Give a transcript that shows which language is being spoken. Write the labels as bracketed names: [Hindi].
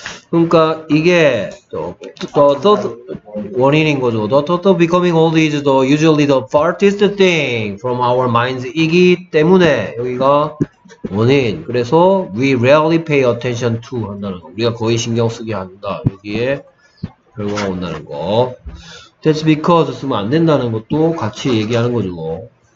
[Korean] 그러니까 이게 더 원인인 거죠. [English] The thought of becoming old is the usually the farthest thing from our minds. [Korean] 이기 때문에 여기가 원인. 그래서 [English] we rarely pay attention to [Korean] 한다는 거. 우리가 거의 신경 쓰게 한다. 여기에 결과가 온다는 거. [English] That's because [Korean] 쓰면 안 된다는 것도 같이 얘기하는 거죠.